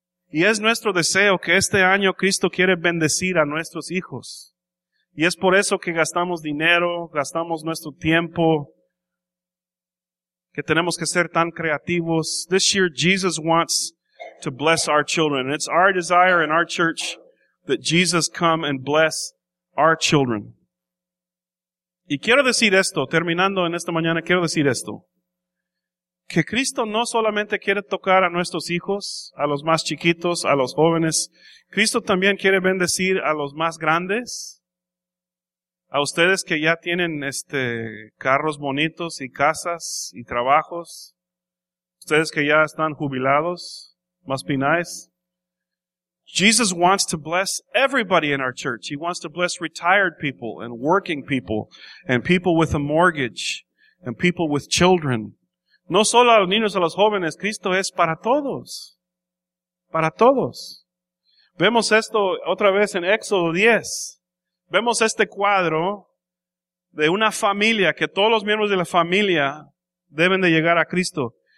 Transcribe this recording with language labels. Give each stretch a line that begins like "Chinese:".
Spanish: Y es nuestro deseo que este año Cristo quiere bendecir a nuestros hijos. Y es por eso que gastamos dinero, gastamos nuestro tiempo, que tenemos que ser tan creativos.
English: This year, Jesus wants to bless our children. And it's our desire in our church that Jesus come and bless our children.
Spanish: Y quiero decir esto, terminando en esta mañana, quiero decir esto. Que Cristo no solamente quiere tocar a nuestros hijos, a los más chiquitos, a los jóvenes. Cristo también quiere bendecir a los más grandes. A ustedes que ya tienen carros bonitos y casas y trabajos. Ustedes que ya están jubilados.
English: Must be nice. Jesus wants to bless everybody in our church. He wants to bless retired people and working people and people with a mortgage and people with children.
Spanish: No solo a los niños, a los jóvenes. Cristo es para todos. Para todos. Vemos esto otra vez en Éxodo 10. Vemos este cuadro de una familia que todos los miembros de la familia deben de llegar a Cristo.